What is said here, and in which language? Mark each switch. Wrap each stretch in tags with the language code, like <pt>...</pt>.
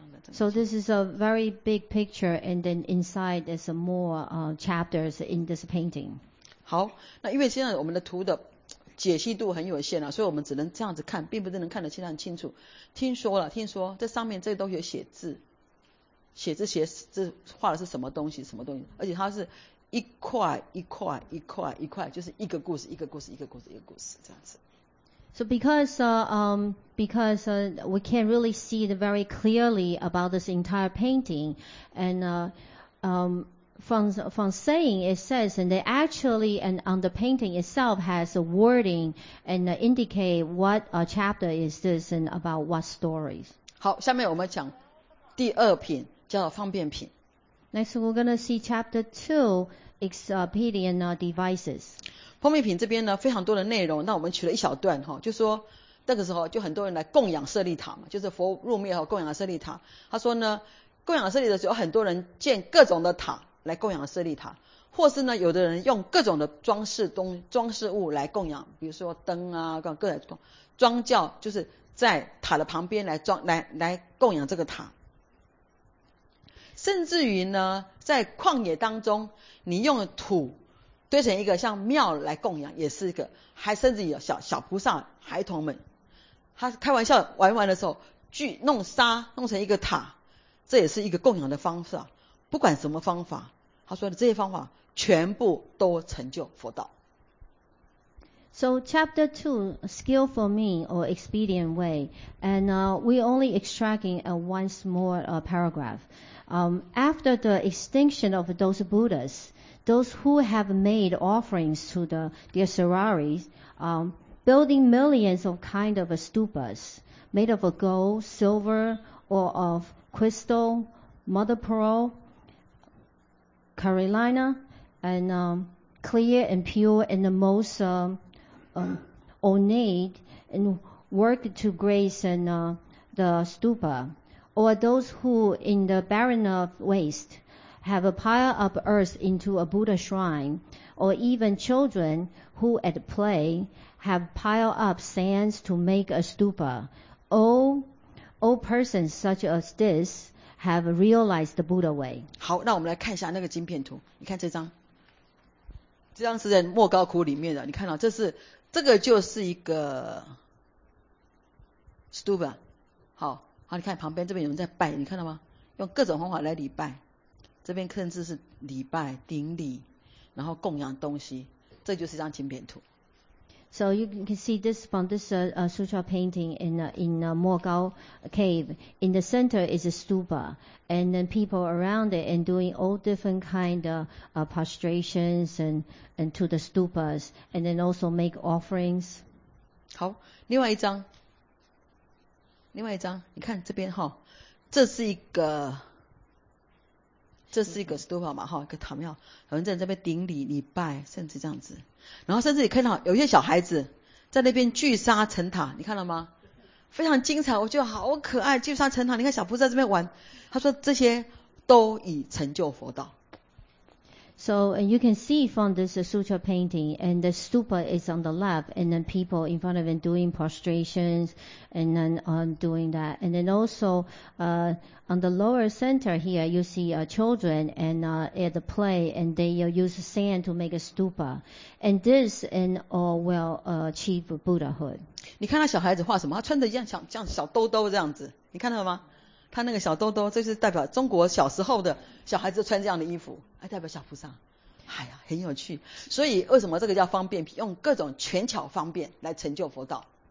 <en>So this is a very big picture, and then inside there's more chapters in this painting.</en> <zh>好，那因为现在我们的图的解析度很有限啊，所以我们只能这样子看，并不是能看得非常清楚。听说了，听说这上面这都有写字，写字写字画的是什么东西，什么东西，而且它是一块一块一块一块，就是一个故事，一个故事，一个故事，一个故事这样子。</zh> <en>So because we can't really see it very clearly about this entire painting, and from saying it says, and they actually, and on the painting itself has a wording and indicate what a chapter is this and about what stories.</en> <zh>好，下面我们讲第二品叫方便品。</zh> <en>Next, we're gonna see chapter two, expedient devices.</en> <zh>方便品这边呢非常多的内容，那我们取了一小段齁，就说那个时候就很多人来供养舍利塔嘛，就是佛入灭后供养舍利塔。他说呢，供养舍利的时候很多人建各种的塔来供养舍利塔，或是呢有的人用各种的装饰物来供养，比如说灯啊，各种装教，就是在塔的旁边来供养这个塔。甚至于呢在旷野当中你用土堆成一个像庙来供养，也是一个，还甚至有小菩萨孩童们，他开玩笑玩玩的时候，聚弄沙弄成一个塔，这也是一个供养的方式。不管什么方法，他说的这些方法全部都成就佛道。</zh> <en>So chapter two, skillful mean or expedient way, and we only extracting a once more paragraph. After the extinction of those Buddhas. Those who have made offerings to the Sararis, building millions of kind of stupas, made of gold, silver, or of crystal, mother pearl, Carolina, and clear and pure and the most ornate, and work to grace and the stupa, or those who in the barren of waste,have a pile of earth into a Buddha shrine, or even children who at play have piled up sands to make a stupa. All persons such as this have realized the Buddha way.</en> <zh>好，那我们来看一下那个晶片图。你看这张，这张是在莫高窟里面的。你看到，这个就是一个 stupa。好，你看旁边这边有人在拜，你看到吗？用各种方法来礼拜。这边甚至是礼拜顶礼，然后供养东西，这就是一张晶片图。</zh> <en>So you can see this from this sutra painting in Mogao cave. In the center is a stupa, and then people around it and doing all different kind of prostrations and to the stupas, and then also make offerings.</en> <zh>好，另外一张，你看这边哈，这是一个 stupa 嘛，一个塔庙，有人在这边顶礼礼拜，甚至这样子，然后甚至你看到有些小孩子在那边聚沙成塔，你看到吗？非常精彩，我觉得好可爱，聚沙成塔，你看小菩萨在这边玩，他说这些都已成就佛道。</zh> <en>So, and you can see from this sutra painting, and the stupa is on the left, and then people in front of them doing prostrations, and then doing that. And then also, on the lower center here, you see children and at the play, and they use sand to make a stupa. And this, and all will achieve Buddhahood.</en> <zh>你看他小孩子画什么？他穿的像小兜兜这样子，你看到吗？他那个小兜兜，这是代表中国小时候的小孩子穿这样的衣服，还代表小菩萨。哎呀，很有趣。所以为什么这个叫方便品？用各种权巧方便来成就佛道。</zh>